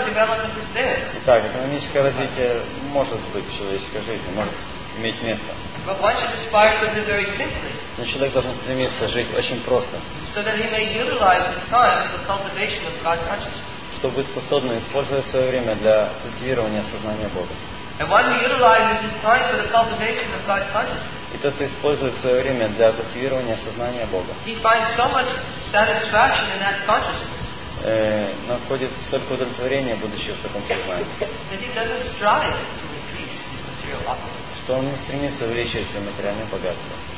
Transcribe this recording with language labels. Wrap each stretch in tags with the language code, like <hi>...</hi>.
<ru>Итак, экономическое развитие может быть в человеческой жизни, может иметь место.</ru> <en>But one should aspire to live very simply.</en> <ru>Но человек должен стремиться жить очень просто.</ru> <en>So that he may utilize his time for the cultivation of God consciousness.</en> <ru>Чтобы быть способным использовать свое время для культивирования сознания Бога.</ru> <en>And one who utilizes his time for the cultivation of God consciousness.</en> <ru>И тот, кто использует свое время для культивирования сознания Бога.</ru> <en>He finds so much satisfaction in that consciousness.</en> <ru>Находит столько удовлетворения, будучи в таком сознании.</ru> <en>That he doesn't strive to increase his material opulence.</en> <ru>что он не стремится увеличивать свое материальное богатство.</ru>